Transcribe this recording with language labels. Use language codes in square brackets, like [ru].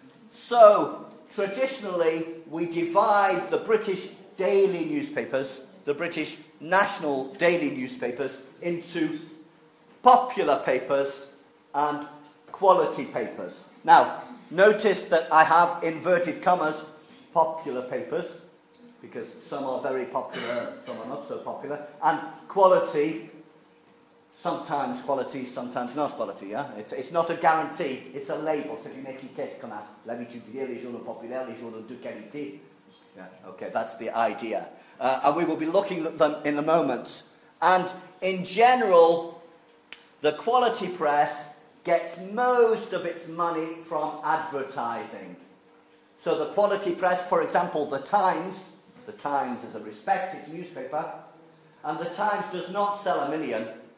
[en] So, traditionally, we divide the British daily newspapers, the British national daily newspapers, into popular papers and quality papers. Now, notice that I have inverted commas, popular papers, because some are very popular, some are not so popular. And quality, sometimes quality, sometimes not quality, yeah? It's not a guarantee, it's a label. [fr] C'est une étiquette qu'on a l'habitude, les journaux populaires, les journaux de qualité. [en] Yeah, okay, that's the idea. And we will be looking at them in a moment. And in general, the quality press gets most of its money from advertising. So the quality press, for example, the Times is a respected newspaper, and the Times does not sell a million.